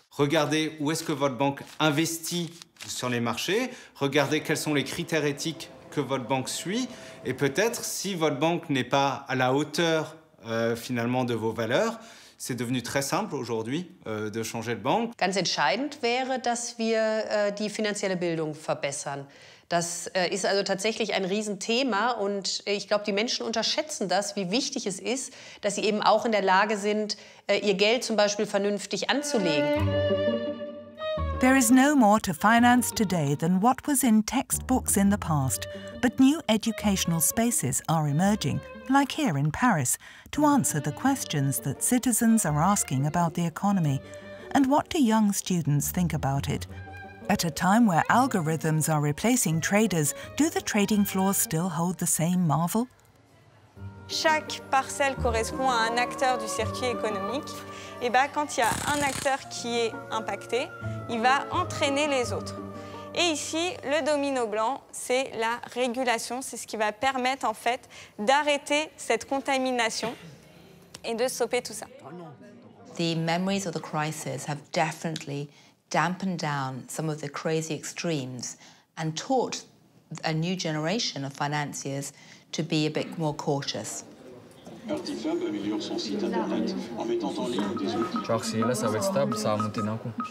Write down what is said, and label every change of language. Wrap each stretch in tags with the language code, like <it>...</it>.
<fr>Regardez où est-ce que votre banque investit sur les marchés, regardez quels sont les critères éthiques que votre banque suit, et peut-être si votre banque n'est pas à la hauteur finalement de vos valeurs, c'est devenu très simple aujourd'hui de changer de banque.</fr> <de>Ganz entscheidend wäre, dass wir die finanzielle Bildung verbessern. Das ist also tatsächlich ein Riesenthema und ich glaube, die Menschen unterschätzen das, wie wichtig es ist, dass sie eben auch in der Lage sind, ihr Geld zum Beispiel vernünftig anzulegen.</de> <en>There is no more to finance today than what was in textbooks in the past, but new educational spaces are emerging, like here in Paris, to answer the questions that citizens are asking about the economy. And what do young students think about it? At a time where algorithms are replacing traders, do the trading floors still hold the same marvel?</en> <fr>Chaque parcelle correspond à un acteur du circuit économique. Et bien, quand il y a un acteur qui est impacté, il va entraîner les autres. Et ici, le domino blanc, c'est la régulation. C'est ce qui va permettre, en fait, d'arrêter cette contamination et de stopper tout ça.</fr> <en>The memories of the crisis have definitely dampened down some of the crazy extremes and taught a new generation of financiers to be a bit more cautious.</en> <fr>Genre, si là ça va être stable, ça va monter d'un coup.</fr>